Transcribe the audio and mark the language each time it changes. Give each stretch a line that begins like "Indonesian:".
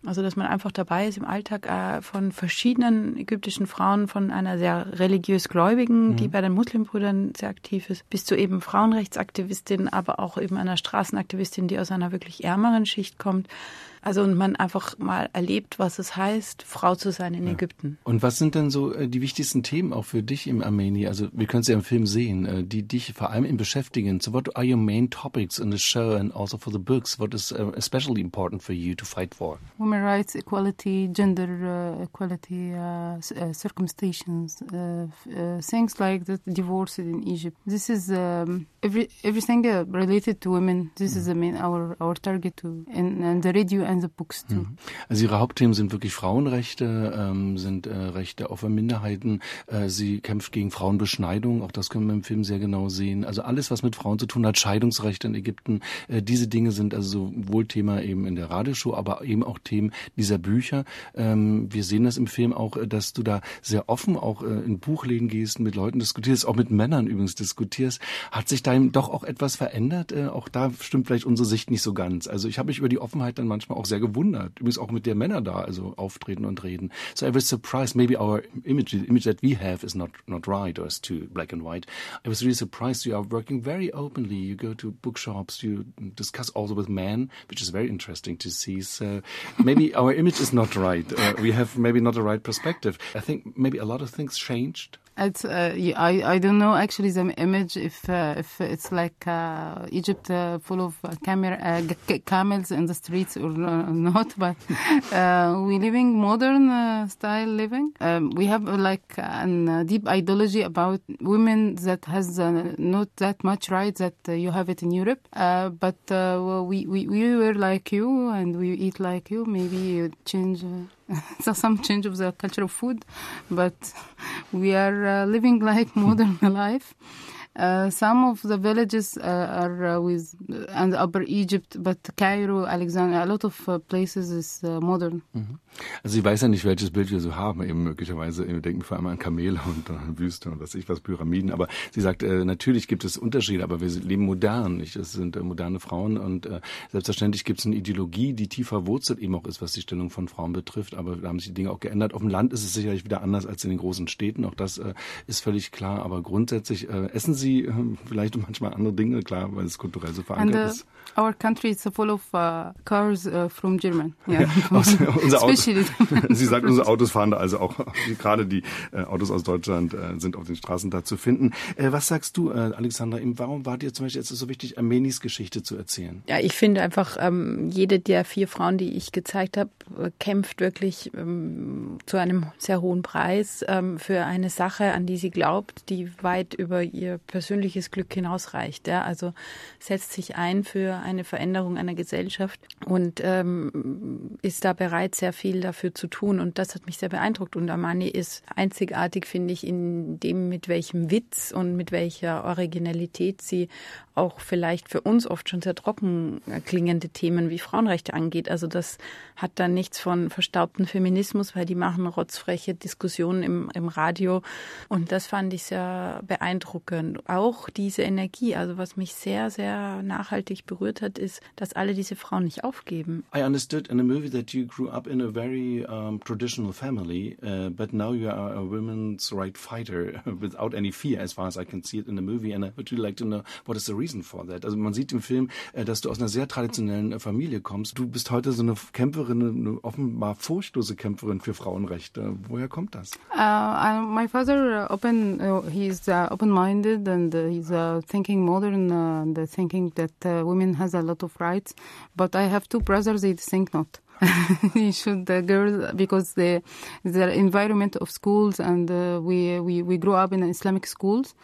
German: Also, dass man einfach dabei ist im Alltag von verschiedenen ägyptischen Frauen, von einer sehr religiös Gläubigen, die bei den Muslimbrüdern sehr aktiv ist, bis zu eben Frauenrechtsaktivistin, aber auch eben einer Straßenaktivistin, die aus einer wirklich ärmeren Schicht kommt. Also und man einfach mal erlebt, was es heißt, Frau zu sein in Ägypten. Und was sind denn so die wichtigsten Themen auch für dich im Ameyni? Also wir können sie ja im Film sehen, die dich vor allem im beschäftigen.
English: So what are your main topics in the show and also for the books? What is especially important for you to fight for? Women rights, equality, gender equality, circumstances, things like the divorce in Egypt. This is everything related to women. This is the main our target too. And the radio and the books too.
German: Also ihre Hauptthemen sind wirklich Frauenrechte, sind Rechte auf Minderheiten. Sie kämpft gegen Frauenbeschneidung, auch das können wir im Film sehr genau sehen. Also alles, was mit Frauen zu tun hat, Scheidungsrechte in Ägypten, diese Dinge sind also sowohl Thema eben in der Radioshow, aber eben auch Themen dieser Bücher. Wir sehen das im Film auch, dass du da sehr offen auch in Buchläden gehst, mit Leuten diskutierst, auch mit Männern übrigens diskutierst. Hat sich da doch auch etwas verändert? Auch da stimmt vielleicht unsere Sicht nicht so ganz. Also ich habe mich über die Offenheit dann manchmal auch sehr gewundert, übrigens auch mit der Männer da, also auftreten und reden.
English: So I was surprised, maybe our image, the image that we have is not right or is too black and white. I was really surprised, you are working very openly, you go to bookshops, you discuss also with men, which is very interesting to see. So maybe our image is not right, we have maybe not the right perspective. I think maybe a lot of things changed. It's I don't know actually the image if it's like Egypt full of camels in the streets or not, but we living modern style living. We have like an deep ideology about women that has not that much rights that you have it in Europe. But we were like you and we eat like you. Maybe you change. So some change of the culture of food, but we are living like modern life. Some of the villages are with and Upper Egypt, but Cairo, Alexandria, a lot of places is modern.
German: Also ich weiß ja nicht, welches Bild wir so haben, eben möglicherweise, wir denken vor allem an Kamele und an Wüste und was ich was, Pyramiden, aber sie sagt, natürlich gibt es Unterschiede, aber wir leben modern, nicht? Es sind moderne Frauen und selbstverständlich gibt es eine Ideologie, die tiefer wurzelt eben auch ist, was die Stellung von Frauen betrifft, aber da haben sich die Dinge auch geändert. Auf dem Land ist es sicherlich wieder anders als in den großen Städten, auch das ist völlig klar, aber grundsätzlich essen Sie Sie vielleicht um manchmal andere Dinge, klar, weil es kulturell so verankert ist.
English: Our country is full of cars from German.
German: Sie sagt, unsere Autos fahren da, also auch gerade die Autos aus Deutschland sind auf den Straßen da zu finden. Was sagst du, Alexandra, warum war dir zum Beispiel jetzt so wichtig, Armenis Geschichte zu erzählen? Ja, ich finde einfach, jede der vier Frauen, die ich gezeigt habe, kämpft wirklich zu einem sehr hohen Preis für eine Sache, an die sie glaubt, die weit über ihr persönliches Glück hinausreicht. Ja? Also setzt sich ein für eine Veränderung einer Gesellschaft und ist da bereit, sehr viel dafür zu tun. Und das hat mich sehr beeindruckt. Und Armani ist einzigartig, finde ich, in dem, mit welchem Witz und mit welcher Originalität sie auch vielleicht für uns oft schon sehr trocken klingende Themen wie Frauenrechte angeht. Also das hat da nichts von verstaubtem Feminismus, weil die machen rotzfreche Diskussionen im Radio. Und das fand ich sehr beeindruckend. Auch diese Energie, also was mich sehr, sehr nachhaltig berührt hat, ist, dass alle diese Frauen nicht aufgeben.
English: I understood in the movie that you grew up in a very traditional family, but now you are a women's right fighter without any fear, as far as I can see it in the movie. And I would really like to know, what is the reason for that?
German: Also man sieht im Film, dass du aus einer sehr traditionellen Familie kommst. Du bist heute so eine Kämpferin, eine offenbar vorstoße Kämpferin für Frauenrechte. Woher kommt das?
English: My father open, he's open-minded and he's thinking modern and thinking that women has a lot of rights. But I have two brothers, they think not. You should the girls because the environment of schools and we grew up in Islamic schools.